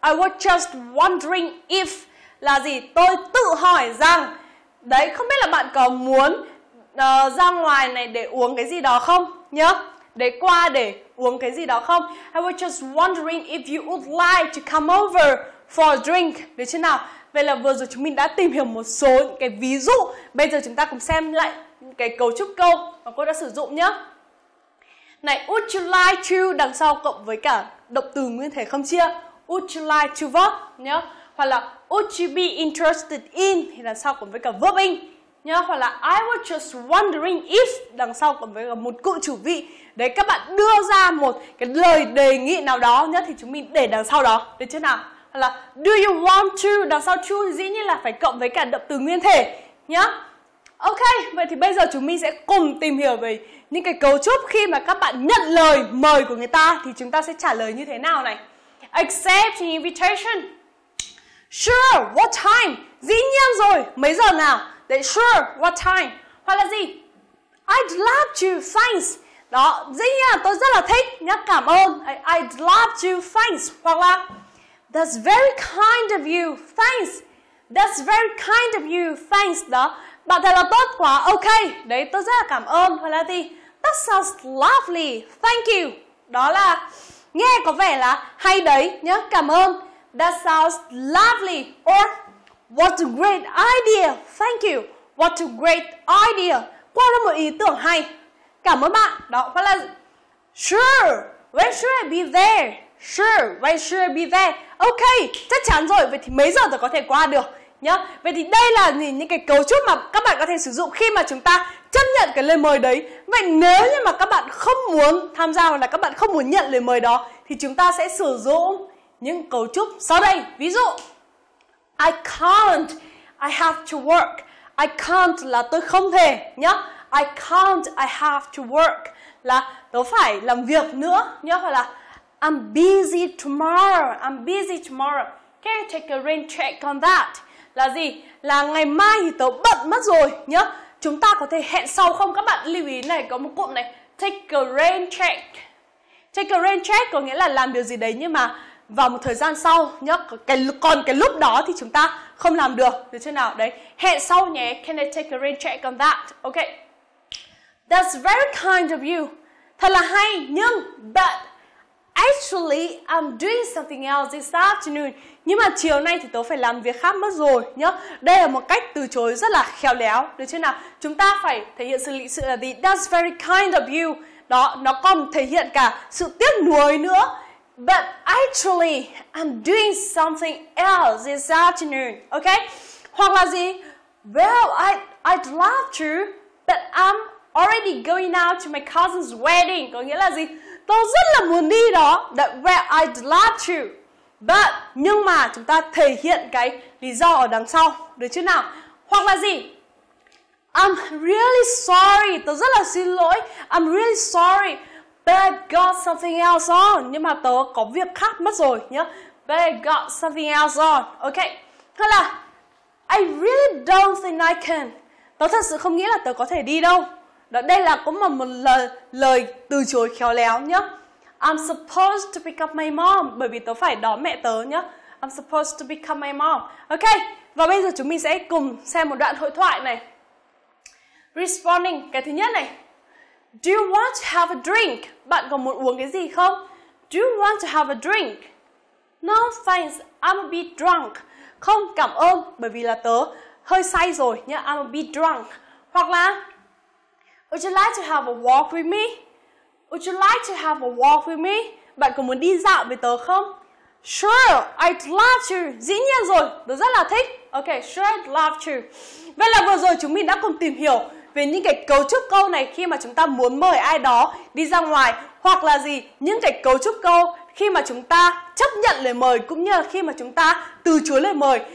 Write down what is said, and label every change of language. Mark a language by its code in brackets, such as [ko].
[vi] I was just wondering if là gì? Tôi tự hỏi rằng đấy, không biết là bạn có muốn ra ngoài này để uống cái gì đó không nhá? Để qua để uống cái gì đó không? [en] I was just wondering if you would like to come over for a drink. [vi] Được chưa nào? Vậy là vừa rồi chúng mình đã tìm hiểu một số những cái ví dụ. Bây giờ chúng ta cùng xem lại cái cấu trúc câu mà cô đã sử dụng nhá. Này, would you like to đằng sau cộng với cả động từ nguyên thể không chia. Would you like to verb nhá? Hoặc là would you be interested in thì đằng sau cùng với cả verb in nhá, hoặc là I was just wondering if đằng sau cùng với cả một cụm chủ vị. Đấy, các bạn đưa ra một cái lời đề nghị nào đó nhá thì chúng mình để đằng sau đó, được chưa nào? Hoặc là do you want to, đằng sau to thì dĩ nhiên là phải cộng với cả động từ nguyên thể nhá. Ok, vậy thì bây giờ chúng mình sẽ cùng tìm hiểu về những cái cấu trúc khi mà các bạn nhận lời mời của người ta thì chúng ta sẽ trả lời như thế nào này. [en] Accept the invitation. Sure, what time? [vi] Dĩ nhiên rồi, mấy giờ nào? Đấy, sure, what time? Hoặc là gì? [en] I'd love to, thanks. [vi] Đó, dĩ nhiên tôi rất là thích, nhá, cảm ơn. [en] I'd love to, thanks. Hoặc là that's very kind of you, thanks. That's very kind of you, thanks. Đó, bạn thật là tốt quá, ok. [vi] Đấy, tôi rất là cảm ơn. Hoặc là gì? That sounds lovely, thank you. Đó là nghe có vẻ là hay đấy, nhá, cảm ơn. [en] That sounds lovely. Or what a great idea. Thank you. [vi] What a great idea. Qua là một ý tưởng hay. Cảm ơn bạn. [en] Đó, hoặc là sure. When should I be there? Sure. When should I be there? [vi] Ok, chắc chắn rồi. Vậy thì mấy giờ tôi có thể qua được nhá. Vậy thì đây là những cái cấu trúc mà các bạn có thể sử dụng khi mà chúng ta chấp nhận cái lời mời đấy. Vậy nếu như mà các bạn không muốn tham gia hoặc là các bạn không muốn nhận lời mời đó thì chúng ta sẽ sử dụng những cấu trúc sau đây. [en] Ví dụ, I can't, I have to work. [vi] I can't là tôi không thể nhá. I can't, I have to work là tôi phải làm việc nữa nhá. [en] Hoặc là I'm busy tomorrow, I'm busy tomorrow. Can you take a rain check on that? [vi] Là gì? Là ngày mai thì tôi bận mất rồi nhá. Chúng ta có thể hẹn sau không? Các bạn lưu ý này, có một cụm này, take a rain check. Take a rain check có nghĩa là làm điều gì đấy nhưng mà vào một thời gian sau nhá, còn cái lúc đó thì chúng ta không làm được, được chưa nào? Đấy, hẹn sau nhé. [en] Can I take a rain check on that? Ok, that's very kind of you. Thật là hay, nhưng but actually I'm doing something else this afternoon. [vi] Nhưng mà chiều nay thì tớ phải làm việc khác mất rồi nhá. Đây là một cách từ chối rất là khéo léo, được chưa nào? Chúng ta phải thể hiện sự lịch sự là gì? That's very kind of you. Đó, nó còn thể hiện cả sự tiếc nuối nữa. [en] But actually, I'm doing something else this afternoon, okay? Hoặc là gì? Well, I'd love to, but I'm already going out to my cousin's wedding. [vi] Có nghĩa là gì? Tôi rất là muốn đi đó. That, well, I'd love to, but nhưng mà chúng ta thể hiện cái lý do ở đằng sau, được chưa nào? Hoặc là gì? [en] I'm really sorry. Tớ rất là xin lỗi. I'm really sorry. But I've got something else on. [vi] Nhưng mà tớ có việc khác mất rồi nhá. [en] But I've got something else on. Okay. Hay là I really don't think I can. [vi] Tớ thật sự không nghĩ là tớ có thể đi đâu. Đó, đây là cũng một lời từ chối khéo léo nhá. I'm supposed to pick up my mom. Bởi vì tớ phải đón mẹ tớ nhá. I'm supposed to pick up my mom. Okay. Và bây giờ chúng mình sẽ cùng xem một đoạn hội thoại này. [en] Responding, cái thứ nhất này. Do you want to have a drink? [vi] Bạn có muốn uống cái gì không? Do you want to have a drink? No, thanks, I'm a bit drunk. Không, cảm ơn, bởi vì là tớ hơi say rồi nhá. [en] I'm a bit drunk. Hoặc là would you like to have a walk with me? Would you like to have a walk with me? [vi] Bạn có muốn đi dạo với tớ không? Sure, I'd love to. Dĩ nhiên rồi, tớ rất là thích. Ok, sure, I'd love to. Vậy là vừa rồi chúng mình đã cùng tìm hiểu về những cái cấu trúc câu này khi mà chúng ta muốn mời ai đó đi ra ngoài. Hoặc là gì, những cái cấu trúc câu khi mà chúng ta chấp nhận lời mời cũng như là khi mà chúng ta từ chối lời mời.